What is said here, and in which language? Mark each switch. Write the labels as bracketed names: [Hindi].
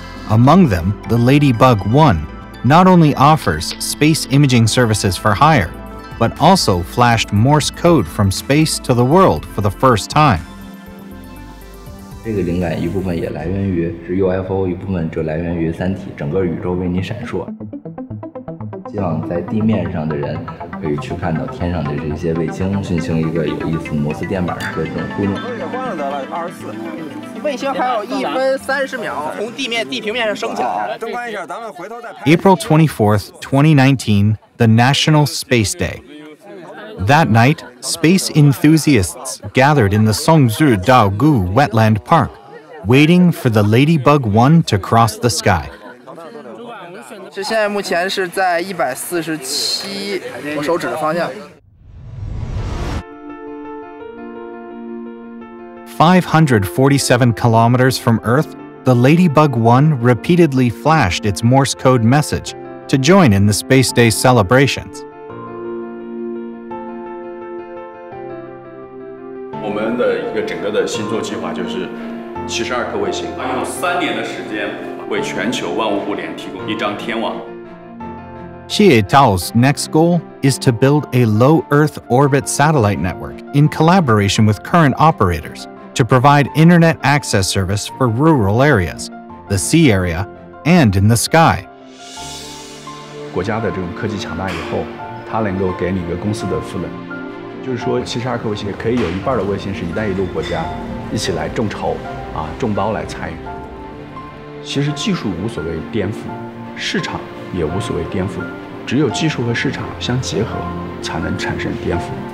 [English] Among them, the Ladybug 1 not only offers space imaging services for hire, but also flashed Morse code from space to the world for the first time. [Chinese] 这个灵感一部分也来源于是 UFO， 一部分就来源于《三体》，整个宇宙为你闪烁。希望在地面上的人可以去看到天上的这些卫星，进行一个有意思摩斯电码的这种互动。关了得了，24。卫星还有1分30秒，从地面地平面上升起来。灯关一下，咱们回头再拍。 [English] April 24th, 2019, the National Space Day. That night, space enthusiasts gathered in the Songzhi Daogu Wetland Park, waiting for the Ladybug 1 to cross the sky. [Chinese] 这现在目前是在147，我手指的方向。 [English] 547 kilometers from Earth, the Ladybug 1 repeatedly flashed its Morse code message to join in the Space Day celebrations. [Chinese] 我们的一个整个的星座计划就是72颗卫星，用3年的时间为全球万物互联提供一张天网。 [English] Xie Tao's next goal is to build a low Earth orbit satellite network in collaboration with current operators to provide internet access service for rural areas, the sea area, and in the sky. [Chinese] 国家的这种科技强大以后，它能够给你一个公司的赋能，就是说72颗卫星可以有一半的卫星是一带一路国家一起来众筹啊，众包来参与。其实技术无所谓颠覆，市场也无所谓颠覆，只有技术和市场相结合才能产生颠覆。